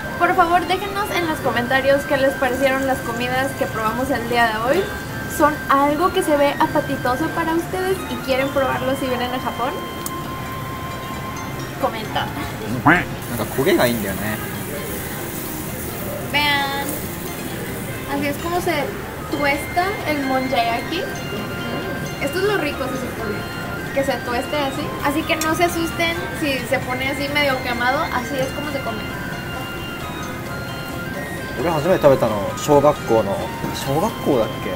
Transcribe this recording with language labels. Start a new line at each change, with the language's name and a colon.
Spanish: Por favor, déjenos en los comentarios qué les parecieron las comidas que probamos el día de hoy. ¿Son algo que se ve apetitoso para ustedes y quieren probarlo si vienen a Japón? Comenta.
Japanese: なんか焦げがいいんだよね。
Spanish: Vean. Así es como se tuesta el monjayaki. Esto es lo rico, se supone. Que se tueste así. Así que no se asusten si se pone así medio quemado. Así es como se come. Yo la primera vez que comí fue en la escuela. ¿Escuela? ¿De qué?